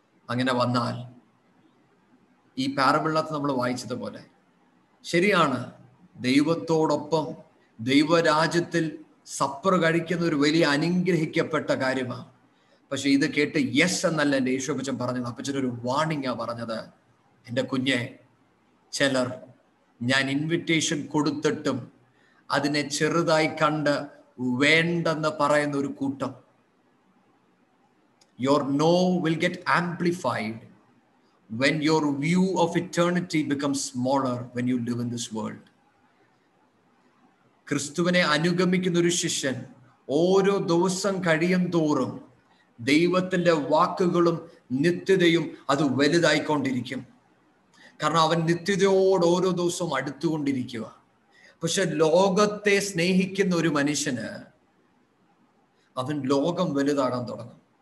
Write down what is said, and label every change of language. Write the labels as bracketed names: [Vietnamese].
[Malayalam] അങ്ങനെ വന്നാൽ ഈ പാരബിളിനകത്ത് നമ്മൾ വായിച്ചതുപോലെ, ശരിയാണ്, ദൈവത്തോടൊപ്പം ദൈവരാജ്യത്തിൽ സപ്പർ കഴിക്കുന്ന ഒരു വലിയ അനുഗ്രഹിക്കപ്പെട്ട കാര്യമാണ്. പക്ഷെ ഇത് കേട്ട് യെസ് എന്നല്ല എൻ്റെ യേശു അപ്പച്ചൻ പറഞ്ഞത്. അപ്പച്ചനൊരു വാർണിംഗാണ് പറഞ്ഞത്, എൻ്റെ കുഞ്ഞെ, ചിലർ ഞാൻ ഇൻവിറ്റേഷൻ കൊടുത്തിട്ടും അതിനെ ചെറുതായി കണ്ട് വേണ്ടെന്ന് പറയുന്ന ഒരു കൂട്ടം. [English] Your no will get amplified when your view of eternity becomes smaller when you live in this world. [Malayalam] ക്രിസ്തുവിനെ അനുഗമിക്കുന്ന ഒരു ശിഷ്യൻ ഓരോ ദിവസം കഴിയും തോറും ദൈവത്തിന്റെ വാക്കുകളും നിത്യതയും അത് വലുതായിക്കൊണ്ടിരിക്കും. കാരണം അവൻ നിത്യതയോട് ഓരോ ദിവസവും അടുത്തുകൊണ്ടിരിക്കുക. പക്ഷെ ലോകത്തെ സ്നേഹിക്കുന്ന ഒരു മനുഷ്യന് അവൻ ലോകം വലുതാകാൻ തുടങ്ങും.